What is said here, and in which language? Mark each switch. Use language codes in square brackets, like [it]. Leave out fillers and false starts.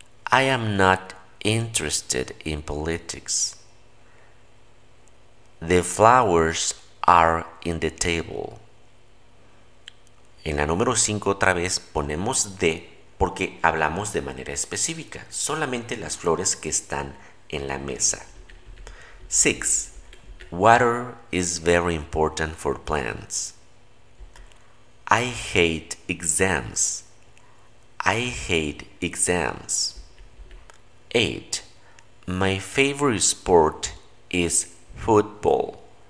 [en] I am not interested in politics. The flowers are in the table. [es] En la número 5 otra vez ponemos de porque hablamos de manera específica, solamente las flores que están en la mesa. [en] 6. Water is very important for plants. I hate exams. I hate exams. 8. My favorite sport is football.